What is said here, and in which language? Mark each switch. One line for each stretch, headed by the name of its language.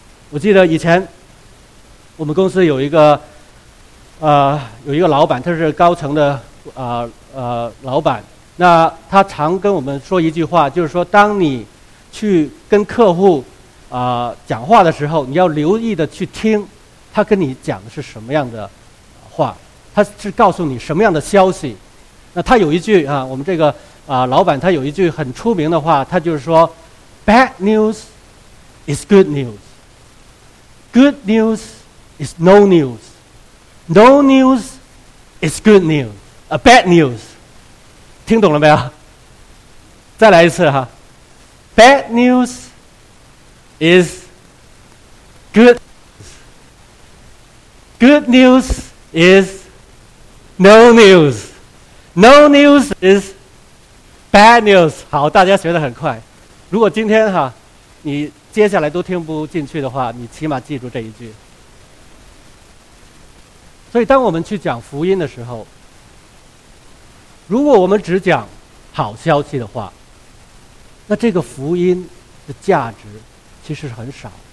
Chinese: 我记得以前我们公司有一个老板，他是高层的老板，那他常跟我们说一句话，就是说当你去跟客户讲话的时候，你要留意的去听他跟你讲的是什么样的话。他是告诉你什么样的消息。那他有一句啊，我们这个啊老板他有一句很出名的话，他就是说
English: Bad news is good news, good news is no news, no news is good news, a bad news.
Chinese: 听懂了没有？再来一次哈。
English: Bad news is good news, good news is no news, no news is bad news.
Chinese: 好，大家学得很快。如果今天哈你接下来都听不进去的话，你起码记住这一句。所以当我们去讲福音的时候，如果我们只讲好消息的话，那这个福音的价值其实是很少。